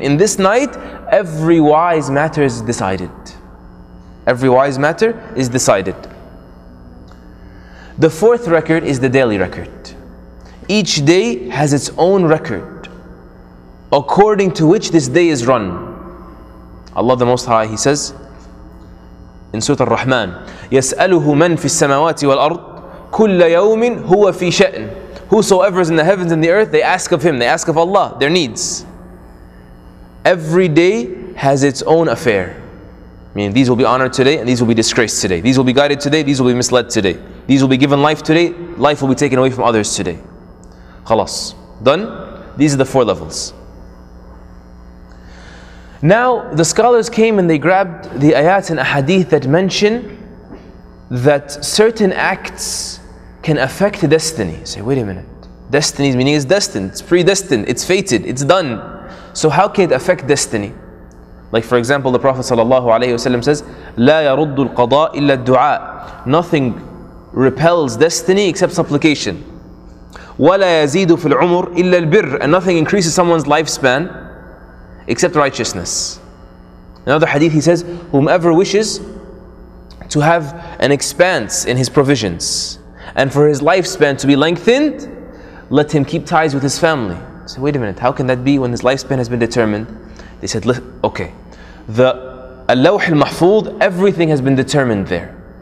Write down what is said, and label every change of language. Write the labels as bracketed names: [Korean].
[English] In this night, every wise matter is decided. Every wise matter is decided. The fourth record is the daily record. Each day has its own record, according to which this day is run. Allah the Most High, He says, in Surah Al-Rahman, [Arabic] يَسْأَلُهُ مَنْ فِي السَّمَوَاتِ وَالْأَرْضِ كل يوم هو في شأن. [English] Whosoever is in the heavens and the earth, they ask of him, they ask of Allah, their needs. Every day has its own affair. I mean, these will be honored today and these will be disgraced today. These will be guided today, these will be misled today. These will be given life today, life will be taken away from others today. Khalas. Done? These are the four levels. Now, the scholars came and they grabbed the ayat and ahadith that mention that certain acts can affect destiny. Say, wait a minute. Destiny's meaning is destined, it's predestined, it's fated, it's done. So how can it affect destiny? Like for example, the Prophet sallallahu alaihi wasallam says, [Arabic] لا يرد القضاء إلا الدعاء. [English] Nothing repels destiny except supplication. [Arabic] ولا يزيد في العمر إلا البر. [English] And nothing increases someone's lifespan except righteousness. Another hadith he says, whomever wishes to have an expanse in his provisions and for his lifespan to be lengthened, let him keep ties with his family. So wait a minute, how can that be when his lifespan has been determined? They said, okay, the al-lawh al-mahfud, everything has been determined there.